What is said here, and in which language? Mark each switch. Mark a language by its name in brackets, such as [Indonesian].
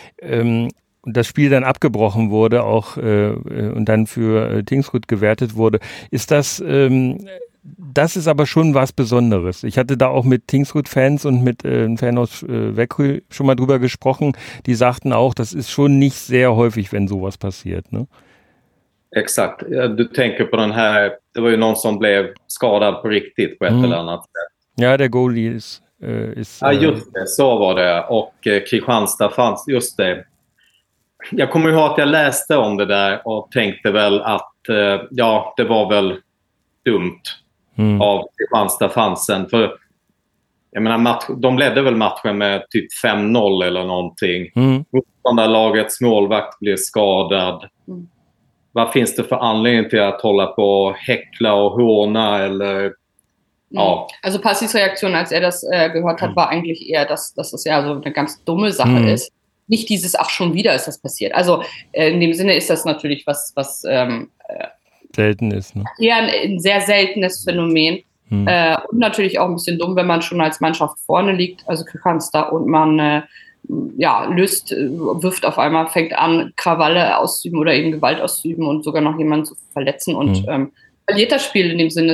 [German] Und das Spiel dann abgebrochen wurde, auch und dann für Tingsryd gewertet wurde. Ist das das ist aber schon was Besonderes. Ich hatte da auch mit Tingsryd-Fans und mit einem Fan aus Växjö schon mal drüber gesprochen. Die sagten auch, das ist schon nicht sehr häufig, wenn sowas passiert. Ne? [Swedish] Exakt. Ja, du tänker på den här, det var ju någon som blev skadad på riktigt på ett eller annat sätt. [German] Ja, der Goalie ist... [Swedish] ja, just det. Så var det. Och Kristianstad fanns, just det. Jag kommer ihåg att jag läste om det där och tänkte väl att ja, det var väl dumt av Kristianstad-fansen, för jag menar, de ledde väl matchen med typ 5-0 eller någonting. Motståndarlagets målvakt blir skadad. Vad finns det för anledning till att hålla på och häckla och håna eller ja. [German] Also Passis Reaktion, als er das gehört hat, war eigentlich eher, dass das ja so eine ganz dumme Sache ist. Nicht dieses, ach schon wieder ist das passiert. Also in dem Sinne ist das natürlich was selten ist. Ne? Eher ein sehr seltenes Phänomen. Und natürlich auch ein bisschen dumm, wenn man schon als Mannschaft vorne liegt, also Kristianstad, und man wirft auf einmal, fängt an, Krawalle auszuüben oder eben Gewalt auszuüben und sogar noch jemanden zu verletzen und verliert das Spiel in dem Sinne.